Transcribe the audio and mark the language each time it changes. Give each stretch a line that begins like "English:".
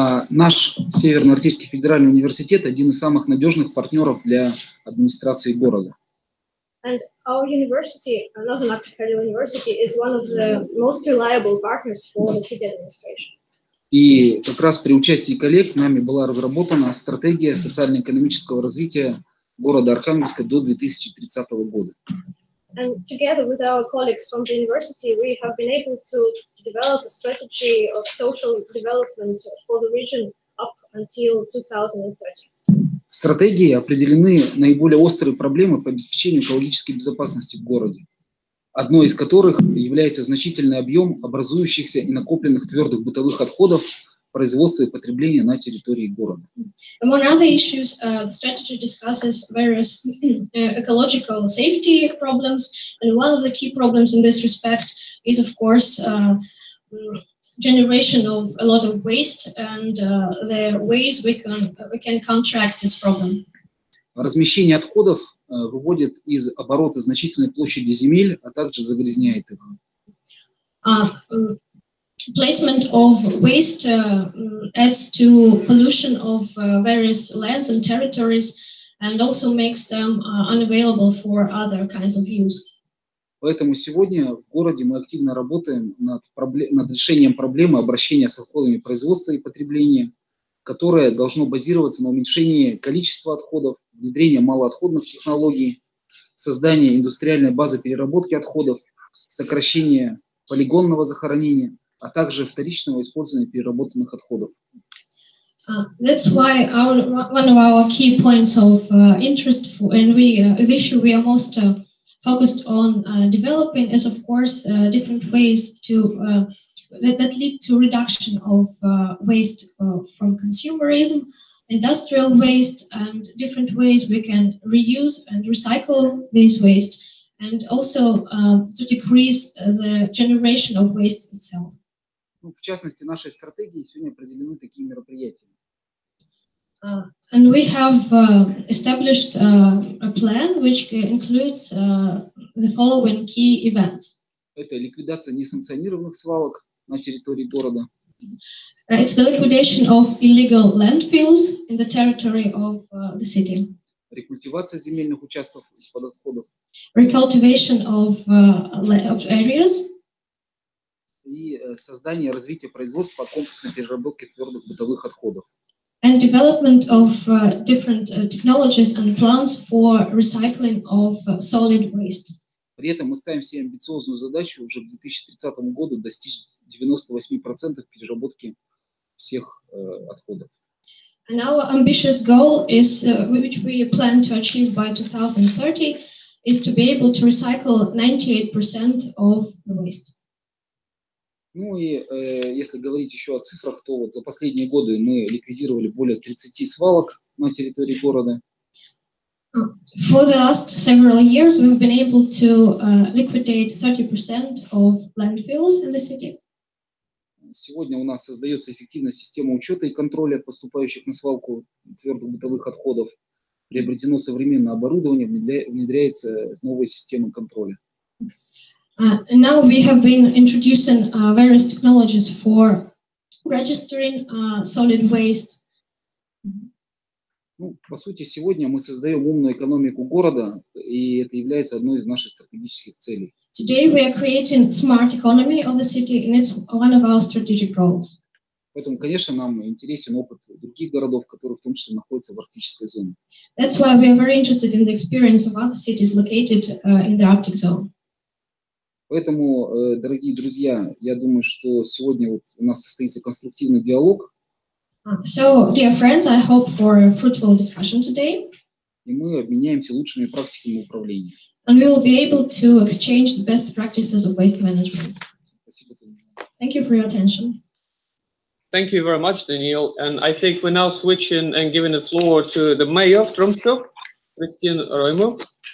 Russian: Наш Северно-Арктический федеральный университет один из самых надежных партнеров для администрации города.
English: And our university, Northern Arctic Federal University, is one of the most reliable partners for the city administration.
Russian: И как раз при участии коллег нами была разработана стратегия социально-экономического развития города Архангельска до 2030 года.
English: And together with our colleagues from the university, we have been able to develop a strategy of social development for the region up until 2030.
Russian: В стратегии определены наиболее острые проблемы по обеспечению экологической безопасности в городе, одной из которых является значительный объем образующихся и накопленных твердых бытовых отходов производства и потребления на территории города.
English: Among other issues, the strategy discusses various ecological safety problems, and one of the key problems in this respect is, of course, generation of a lot of waste and the ways we can contract this problem.
Russian: Размещение отходов выводит из оборота значительные площади земель, а также загрязняет их.
English: Placement of waste adds to pollution of various lands and territories and also makes them unavailable for other kinds of use.
Russian: Поэтому сегодня в городе мы активно работаем над решением проблемы обращения с отходами производства и потребления, которое должно базироваться на уменьшении количества отходов, внедрении малоотходных технологий, создании индустриальной базы переработки отходов, сокращении полигонного захоронения, а также вторичного использования переработанных отходов.
English: That's why one of our key points of interest the issue we are most focused on developing is, of course, different ways to that lead to reduction of waste from consumerism, industrial waste, and different ways we can reuse and recycle this waste, and also to decrease the generation of waste itself.
Russian: Ну, в частности, нашей стратегии сегодня определены такие мероприятия.
English: And we have established a plan which includes the following key events.
Russian: Это ликвидация несанкционированных свалок на территории города.
English: It's the liquidation of illegal landfills in the territory of the city.
Russian: Рекультивация земельных участков из-под отходов.
English: Recultivation of areas.
Russian: И создание и развитие производства по комплексной переработке твердых бытовых отходов.
English: And development of different technologies and plans for recycling of solid waste.
Russian: При этом мы ставим себе амбициозную задачу уже к 2030 году достичь 98% переработки всех отходов.
English: And our ambitious goal is, which we plan to achieve by 2030, is to be able to recycle 98% of the waste.
Russian: Ну и если говорить еще о цифрах, то вот за последние годы мы ликвидировали более 30 свалок на территории города.
English: For the last several years we've been able to liquidate 30% of landfills in the city.
Russian: Сегодня у нас создается эффективная система учета и контроля поступающих на свалку твердых бытовых отходов. Приобретено современное оборудование, внедряется новая система контроля.
English: And now we have been introducing various technologies for registering solid waste.
Russian: Ну, по сути, сегодня мы создаем умную экономику города, и это является одной из наших стратегических целей.
English: Today we are creating smart economy of the city, and it's one of our strategic goals.
Russian: Поэтому, конечно, нам интересен опыт других городов, которые в том числе находятся в арктической зоне.
English: That's why we are very interested in the experience of other cities located in the Arctic zone.
Russian: Поэтому, дорогие друзья, я думаю, что сегодня вот у нас состоится конструктивный диалог.
English: So, dear friends, I hope for a fruitful discussion today.
Russian: И мы обменяемся лучшими практиками управления.
English: And we will be able to exchange the best practices of waste management. Thank you for your attention. Thank you very much, Daniil. And I think we're now switching and giving the floor to the mayor of Tromsø, Kristin Roimo.